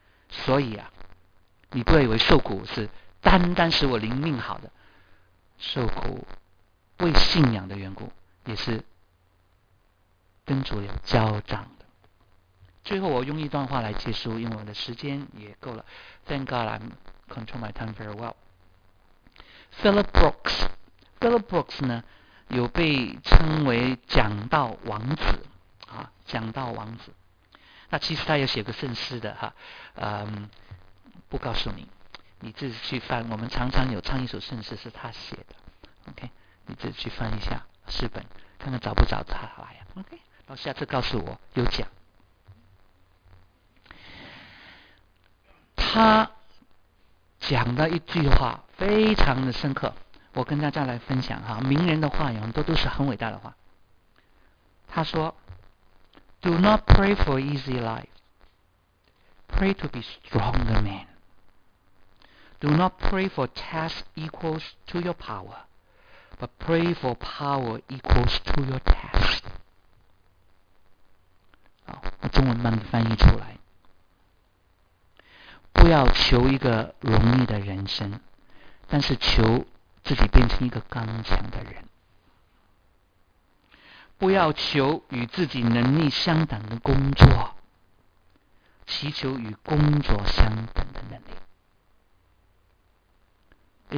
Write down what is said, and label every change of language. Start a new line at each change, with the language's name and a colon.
Chinese: 所以啊，你不要以为受苦是单单使我灵命好的，受苦为信仰的缘故，也是跟主有交账的。最后我用一段话来结束，因为我的时间也够了。
English: Thank God I'm control my time very well.
Chinese: Philip Brooks 呢，有被称为讲道王子啊，讲道王子。那其实他有写个圣诗的哈，不告诉你，你自己去翻。我们常常有唱一首圣诗是他写的 ，OK， 你自己去翻一下诗本，看看找不找他来 ，OK， 然后下次告诉我有讲。他讲了一句话，非常的深刻，我跟大家来分享哈。名人的话有很多都是很伟大的话，他说
English: Do not pray for easy life, pray to be stronger man. Do not pray for task equals to your power, but pray for power equals to your task.
Chinese: 好，我中文慢慢翻译出来，不要求一个容易的人生，但是求自己变成一个刚强的人。不要求与自己能力相等的工作，祈求与工作相等的能力。